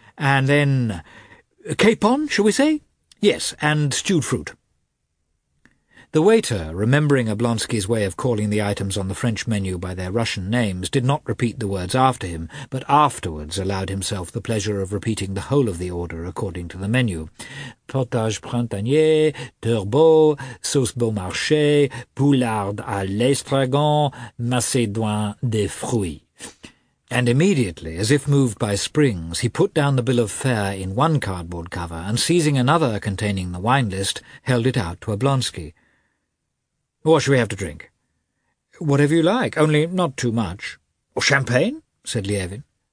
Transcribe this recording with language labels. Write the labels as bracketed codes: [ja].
[en] And then capon, shall we say? Yes, and stewed fruit." The waiter, remembering Oblonsky's way of calling the items on the French menu by their Russian names, did not repeat the words after him, but afterwards allowed himself the pleasure of repeating the whole of the order according to the menu. [fr] Potage printanier, turbot, sauce bon marché, poularde à l'estragon, macédoin des fruits. [en] And immediately, as if moved by springs, he put down the bill of fare in one cardboard cover, and seizing another containing the wine list, held it out to Oblonsky. "What shall we have to drink?" "Whatever you like, only not too much." "Or champagne?" said Lievin.